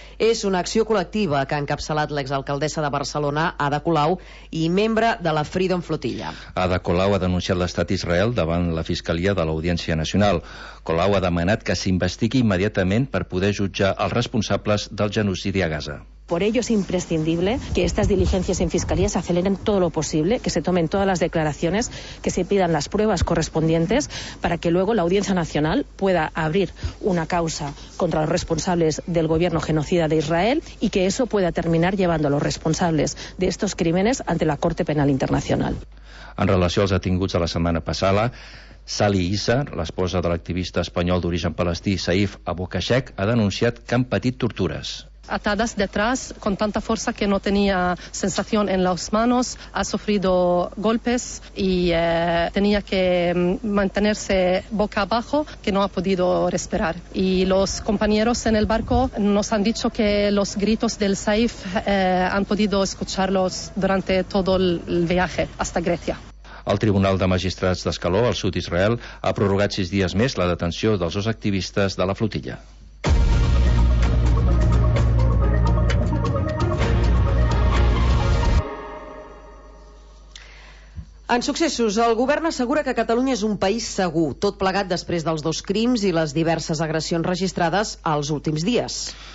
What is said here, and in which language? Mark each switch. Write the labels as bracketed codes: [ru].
[ca] És una acció col·lectiva que ha encapçalat l'exalcaldessa de Barcelona, Ada Colau, i membre de la Freedom Flotilla. Ada Colau ha denunciat l'Estat Israel davant la Fiscalia de l'Audiència Nacional. Colau ha demanat que s'investigui immediatament per poder jutjar els responsables del genocidi a Gaza. [es] Por ello es imprescindible que estas diligencias en Fiscalía se aceleren todo lo posible, que se tomen todas las declaraciones, que se pidan las pruebas correspondientes para que luego la Audiencia Nacional pueda abrir una causa contra los responsables del gobierno genocida de Israel y que eso pueda terminar llevando a los responsables de estos crímenes ante la Corte Penal Internacional. [ca] En relació als detinguts de la setmana passada, Sali Issa, l'esposa de l'activista espanyol d'origen palestí Saif Abu Kashek, ha denunciat que han patit tortures. [es] Atadas detrás con tanta fuerza que no tenía sensación en las manos, ha sufrido golpes y tenía que mantenerse boca abajo, que no ha podido respirar. Y los compañeros en el barco nos han dicho que los gritos del Saif han podido escucharlos durante todo el viaje hasta Grecia. [ca] El Tribunal de Magistrats d'Escaló, al sud d'Israel, ha prorrogat 6 dies més la detenció dels 2 activistes de la flotilla. En successos, el govern assegura que Catalunya és un país segur, tot plegat després dels 2 crims i les diverses agressions registrades els últims dies.